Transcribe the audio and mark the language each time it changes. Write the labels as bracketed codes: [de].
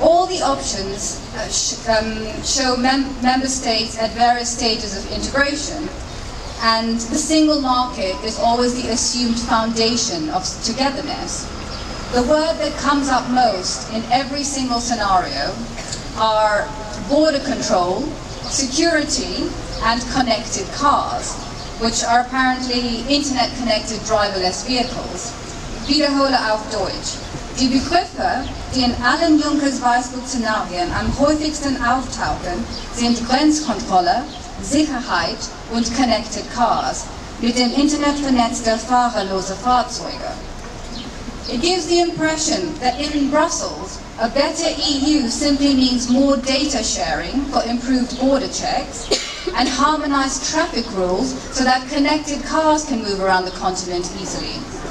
[en] All the options show member states at various stages of integration, and the single market is always the assumed foundation of togetherness. The word that comes up most in every single scenario are border control, security, and connected cars, which are apparently internet-connected driverless vehicles. [de] Wiederhole auf Deutsch. Die Begriffe, die in allen Junkers Weißbuch-Szenarien am häufigsten auftauchen, sind Grenzkontrolle, Sicherheit und connected cars, mit dem Internet vernetzte fahrerlose Fahrzeuge. [en] It gives the impression that in Brussels, a better EU simply means more data sharing for improved border checks, and harmonize traffic rules so that connected cars can move around the continent easily.